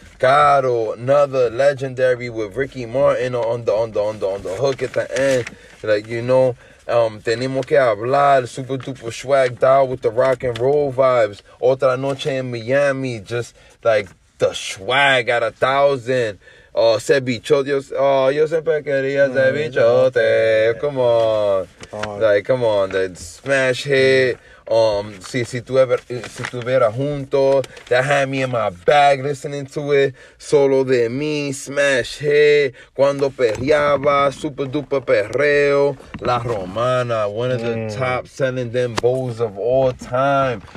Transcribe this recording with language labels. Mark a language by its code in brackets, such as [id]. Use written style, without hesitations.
[en] Caro, another legendary with Ricky Martin on the hook at the end. Like, you know, Tenemos Que Hablar, super duper swagged out with the rock and roll vibes. Otra Noche in Miami, just like the swag at 1,000. [es] Se bichote, yo siempre quería ser bichote. [en] Come on. Like, come on, the smash hit. Si tuviera junto, that had me in my bag listening to it. Solo de mí, smash hit. Cuando perreaba, super duper perreo. La Romana, one of the top selling dembows of all time.